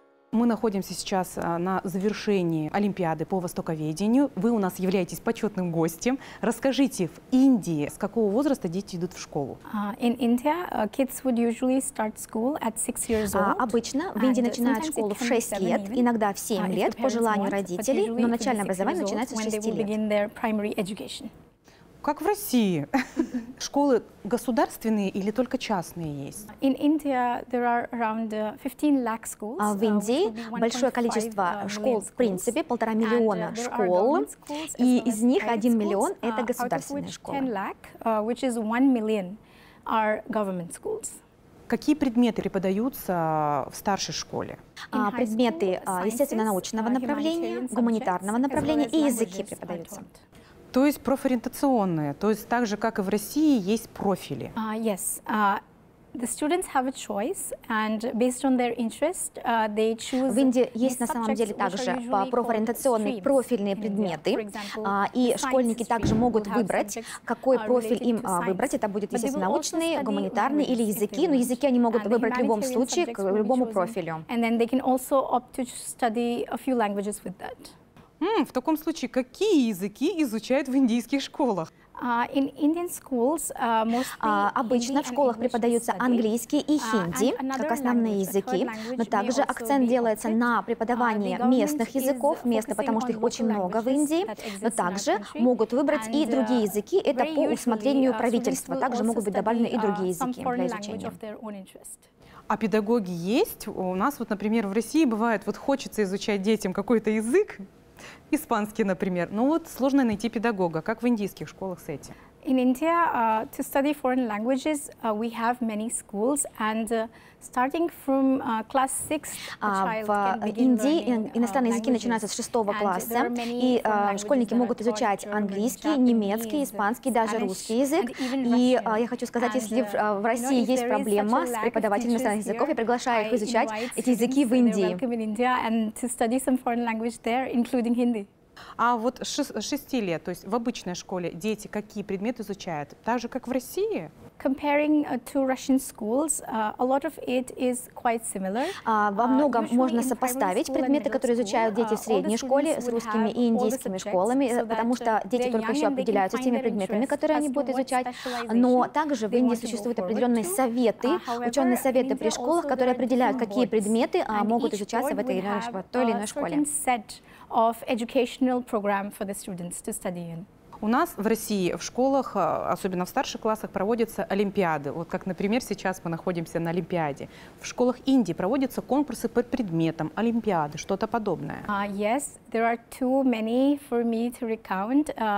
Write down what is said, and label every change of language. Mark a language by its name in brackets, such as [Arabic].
[Russian] Находимся сейчас на завершении олимпиады по востоковедению. Вы у нас являетесь почетным гостем. Расскажите, в Индии с какого возраста дети идут в школу? [English] In India, kids would usually start school at 6 years old. [Russian] Обычно в Индии начинают школу в 6 лет, иногда в 7 лет по желанию родителей, но начальное образование начинается с 6 лет. Как в России? Школы государственные или только частные есть? [English] In India there are around 15 lakh schools. [Russian] В Индии большое количество школ, в принципе, 1,5 миллиона школ, и из них 1 миллион это государственные школы. [English] 10 lakh, which is 1 million, are government schools. [Russian] Какие предметы преподаются в старшей школе? Предметы, естественно, научного направления, гуманитарного направления и языки преподаются. То есть профориентационные, то есть так же, как и в России, есть профили. [English] Yes. The students have a choice, and based on their interest, they choose. [Russian] В Индии есть на самом деле также профориентационные профильные предметы, и школьники также могут выбрать, какой профиль им выбрать. Это будет, естественно, научный, гуманитарный или языки. Но языки они могут выбрать в любом случае к любому профилю. [English] And then they can also opt to study a few languages with that. [Russian] В таком случае, какие языки изучают в индийских школах? [English] In Indian schools, [Russian] обычно в школах преподаются английский и хинди, как основные языки, но также акцент делается на преподавании местных языков, потому что их очень много в Индии, но также могут выбрать и другие языки, это по усмотрению правительства, также могут быть добавлены и другие языки для изучения. А педагоги есть? У нас, вот, например, в России бывает, вот хочется изучать детям какой-то язык, испанский, например. Ну вот сложно найти педагога, как в индийских школах с этим. [English] In India, to study foreign languages, we have many schools, and starting from class 6, a child can begin learning. [Russian] В Индии иностранные языки начинаются с 6 класса, и школьники могут изучать английский, немецкий, испанский, даже русский язык. И я хочу сказать, если в России есть проблема с преподавателями иностранных языков, я приглашаю их изучать эти языки в Индии. [English] Welcome in India and to study some foreign language there, including Hindi. [Russian] А вот с 6 лет, то есть в обычной школе, дети какие предметы изучают? Так же, как в России? [English] Comparing to Russian schools, a lot of it is quite similar. [Russian] Во многом можно сопоставить предметы, которые изучают дети в средней школе, с русскими и индийскими школами, потому что дети только еще определяются с теми предметами, которые они будут изучать. Но также в Индии существуют определенные советы, ученые советы при школах, которые определяют, какие предметы могут изучаться в этой или иной школе. [English] Of educational program for the students to study in. [Russian] У нас в России в школах, особенно в старших классах, проводятся олимпиады. Вот как, например, сейчас мы находимся на олимпиаде. В школах Индии проводятся конкурсы по предметам, олимпиады, что-то подобное. [English] Yes, there are too many for me to recount.